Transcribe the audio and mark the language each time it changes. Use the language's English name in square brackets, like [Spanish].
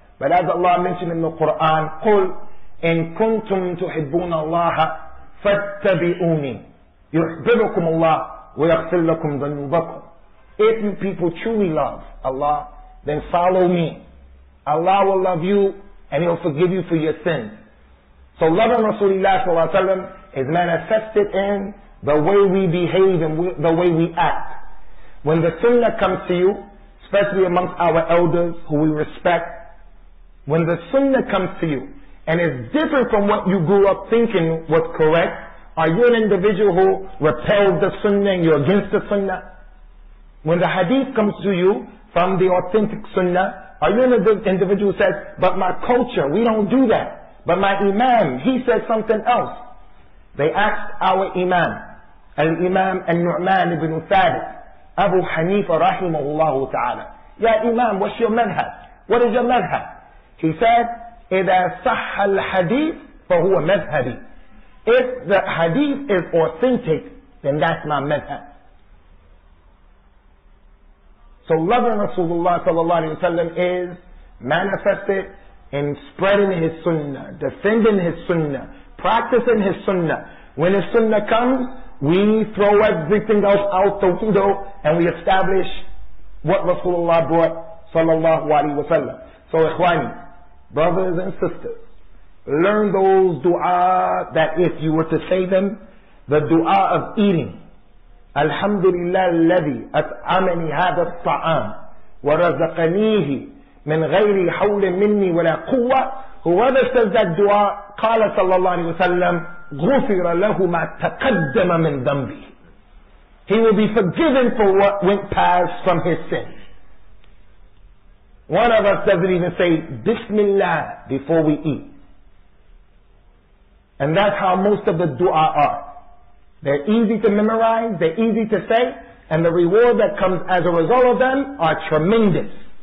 [English] But as Allah mentioned in the Quran, [Arabic] قُلْ إِن كُنْتُمْ تُحِبُّونَ اللَّهَ فَاتَّبِئُونِي يُحْبِبُكُمُ اللَّهُ وَيَغْفِرْ لَكُمْ ذُنُوبَكُمْ. [English] If you people truly love Allah, then follow me. Allah will love you and He'll forgive you for your sins. So loving Rasulullah sallallahu alayhi wa sallam is manifested in the way we behave and the way we act. When the sunnah comes to you, especially amongst our elders who we respect, when the sunnah comes to you and is different from what you grew up thinking was correct, are you an individual who repels the sunnah and you're against the sunnah? When the hadith comes to you from the authentic sunnah, are you an individual who says, but my culture, we don't do that. But my imam, he says something else. They asked our imam, al-imam al-Nu'man ibn Thabit, Abu Hanifa rahimahullah ta'ala. Ya imam, what's your madhab? What is your madhab? He said, [Arabic] إِذَا صَحَّ الْحَدِيثِ فَهُوَ مَذْهَبِي. [English] If the hadith is authentic, then that's my madhab. So loving Rasulullah sallallahu alayhi wa sallam is manifested in spreading his sunnah, defending his sunnah, practicing his sunnah. When his sunnah comes, we throw everything else out the window and we establish what Rasulullah brought sallallahu alayhi wa sallam. So ikhwani, brothers and sisters, learn those dua that if you were to say them, the dua of eating. [Arabic] الحمد لله الذي أطعمني هذا الطعام ورزقنيه من غير حول مني ولا قوة. [English] Whoever says that dua, [Arabic] قال صلى الله عليه وسلم غفر له ما تقدم من ذنبه. [English] He will be forgiven for what went past from his sins. One of us doesn't even say Bismillah before we eat. And that's how most of the dua are. They're easy to memorize, they're easy to say, and the reward that comes as a result of them are tremendous.